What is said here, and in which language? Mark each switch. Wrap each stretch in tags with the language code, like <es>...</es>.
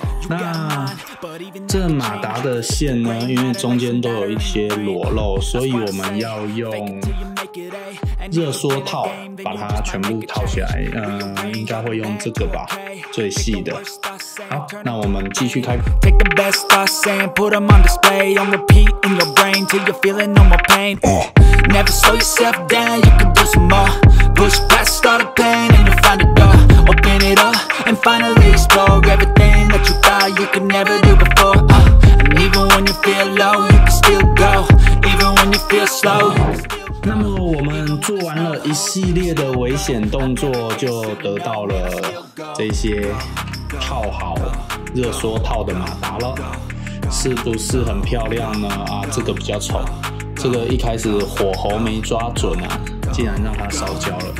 <zh>那这马达的线呢，因为中间都有一些裸露，所以我们要用热缩套把它全部套起来，应该会用这个吧，最细的。好，那我们继续开。</zh> <en>Take the best thoughts and put them on display, on repeat in your brain till you're feeling no more pain. Never slow yourself down, you can do some more. Push past all the pain and you'll find a door. Open it up and finally explore everything that you thought you could never do before. And even when you feel low, you can still go. Even when you feel slow.</en> <zh>那么我们做完了一系列的危险动作，就得到了这些套好热缩套的马达了，是不是很漂亮呢？啊，这个比较丑，这个一开始火候没抓准啊，竟然让它烧焦了。</zh>